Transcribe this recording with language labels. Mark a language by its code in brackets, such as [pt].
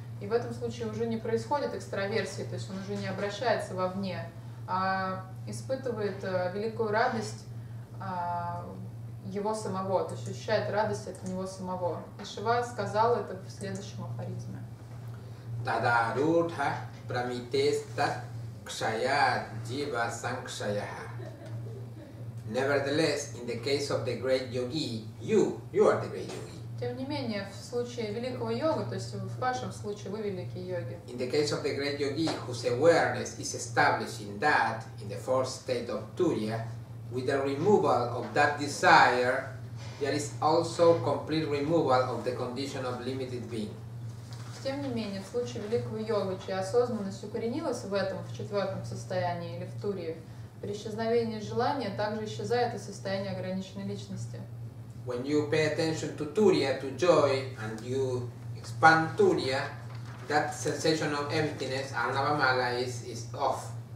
[ru] И в этом случае уже не происходит экстраверсии, то есть он уже не обращается вовне, а испытывает великую радость его самого, то есть ощущает радость от него самого. И Шива сказал это в следующем афоризме. [sa] Тадарудха прамитеста кшая джива санкшая. [en] Nevertheless, in the case of the great yogi, you are the great yogi. [ru] Тем не менее, в случае великого йога, то есть в вашем случае вы великий йоги. [en] In the case of the great yogi, whose awareness is established in that, in the fourth state of Turiya, with the removal of that desire, there is also complete removal of the condition of limited being. [ru] Тем не менее, в случае великого йоги, чья осознанность укоренилась в этом, в четвертом состоянии или в Турии, При исчезновении желания также исчезает и состояние ограниченной личности. [en] When you pay attention to Turiya, to joy, and you expand Turiya, that sensation of emptiness, anavamala, is off.